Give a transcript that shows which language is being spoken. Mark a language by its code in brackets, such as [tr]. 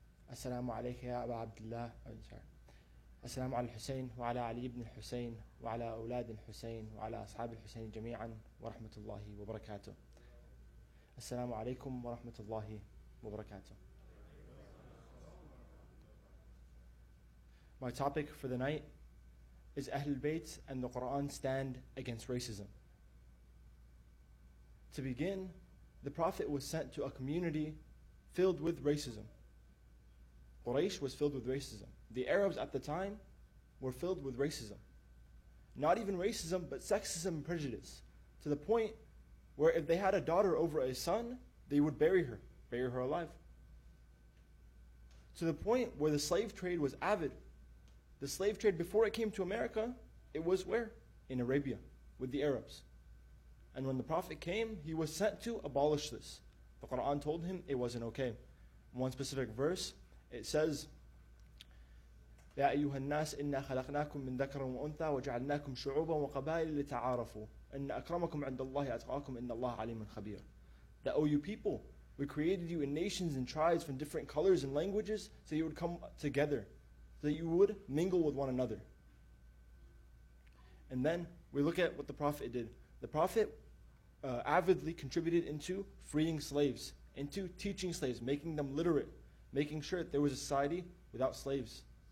[ar] السلام عليك يا أبا عبد الله، السلام على الحسين وعلى علي بن الحسين وعلى أولاد الحسين وعلى أصحاب الحسين جميعا ورحمة الله وبركاته. السلام عليكم ورحمة الله وبركاته. [en] My topic for the night is Ahlul Bayt and the Quran stand against racism. To begin, the Prophet was sent to a community filled with racism. Quraysh was filled with racism. The Arabs at the time were filled with racism. Not even racism, but sexism and prejudice, to the point where if they had a daughter over a son, they would bury her alive. To the point where the slave trade was avid. The slave trade, before it came to America, it was where? In Arabia, with the Arabs. And when the Prophet came, he was sent to abolish this. The Quran told him it wasn't okay. One specific verse, it says, [ar] يَا أَيُّهَا النَّاسِ إِنَّا خَلَقْنَاكُمْ مِنْ ذَكَرًا وَأُنْثَى وَجَعَلْنَاكُمْ شُعُوبًا وَقَبَائِلَ لِتَعَارَفُوا إِنَّ أَكْرَمَكُمْ عِنْدَ اللَّهِ أَتْقَاكُمْ إِنَّ اللَّهَ عَلِيمٌ خَبِيرٌ. [en] That, O you people, we created you in nations and tribes from different colors and languages so you would come together, so you would mingle with one another. And then we look at what the Prophet did. The Prophet avidly contributed into freeing slaves, into teaching slaves, making them literate, making sure that there was a society without slaves.